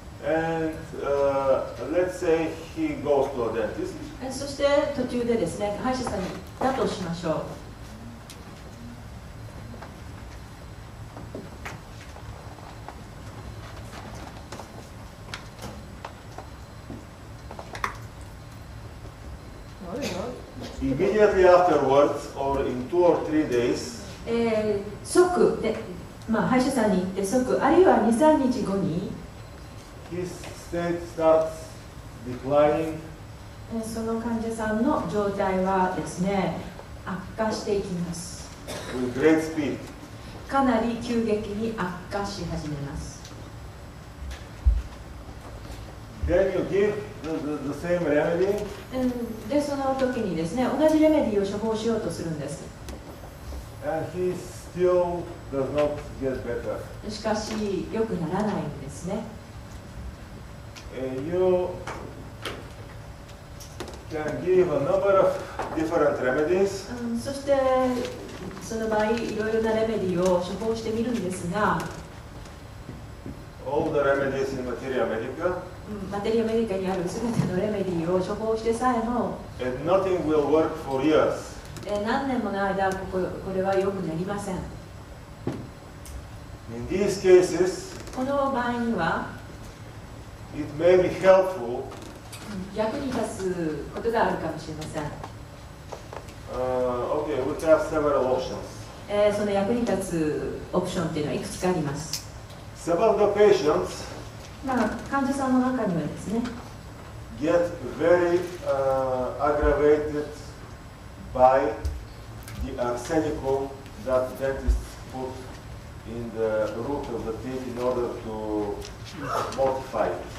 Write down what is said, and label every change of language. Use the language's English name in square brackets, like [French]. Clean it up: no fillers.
[English] And, let's say he goes to a dentist. [Japanese] そして途中でですね、歯医者さんにだとしましょう。 [English] Immediately afterwards, or in two or three days, [Japanese] 即で、まあ、歯医者さんに行って即、あるいは2、3日後に、 [English] his state starts declining. [Japanese] その患者さんの状態はですね、悪化していきます。 [English] With great speed. [Japanese] かなり急激に悪化し始めます。 [English] Then you give the same remedy. [Japanese] でその時にですね、同じレメディを処方しようとするんです。 [English] And he still does not get better. [Japanese] しかし良くならないんですね。 [English] You can give a number of different remedies. [Japanese] そしてその場合いろいろなレメディを処方してみるんですが、 [English] All the remedies in Materia Medica. [Japanese] マテリアメディカにあるすべてのレメディを処方してさえも、 [English] And nothing will work for years. [Japanese] 何年もの間これは良くなりません。 [English] In these cases, [Japanese] この場合には、 [English] it may be helpful, [Japanese] 役に立つことがあるかもしれません。 [English] Okay, we have several options. [Japanese] その役に立つオプションというのはいくつかあります。 [English] Several of the patients. [Japanese] まあ、患者さんの中にはですね、 [English] get very, aggravated by the arsenic that dentist put in the root of the teeth in order to modify it.